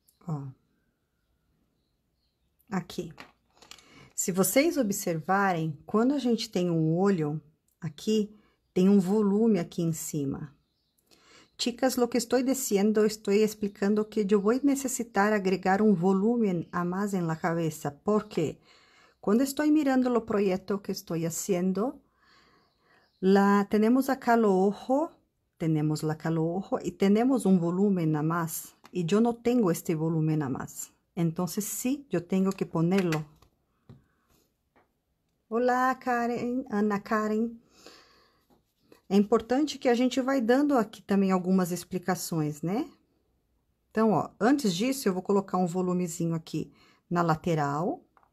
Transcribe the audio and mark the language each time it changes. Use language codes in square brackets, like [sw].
[pt] Ó, aqui. Se vocês observarem, quando a gente tem um olho aqui, tem um volume aqui em cima. [es] Chicas, lo que estoy diciendo, estoy explicando que yo voy necesitar agregar um volume a más en la cabeza, porque cuando estoy mirando lo proyecto que estoy haciendo, tenemos acá lo ojo, tenemos la acá lo ojo y tenemos un volumen a más. [pt] E eu não tenho este volume na massa. Então, sim, eu tenho que ponê-lo. Olá, Karen, Ana Karen. É importante que a gente vai dando aqui também algumas explicações, né? Então, ó, antes disso, eu vou colocar um volumezinho aqui na lateral.